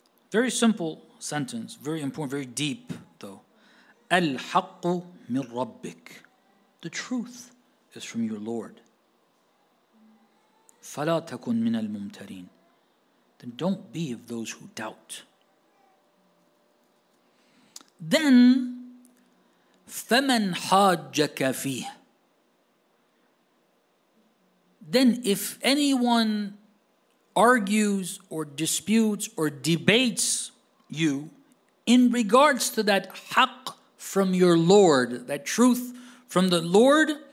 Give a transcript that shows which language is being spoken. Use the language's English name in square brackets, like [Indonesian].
[English] Very simple sentence, very important, very deep though. [Arabic] Al-haqqu min rabbik. [English] The truth is from your Lord. [Arabic] Fala takun min al-mumtarin. [English] Then don't be of those who doubt. [Arabic] Then فَمَنْ حَاجَّكَ فِيهِ. [English] Then if anyone argues or disputes or debates you in regards to that haqq from your Lord, that truth from the Lord,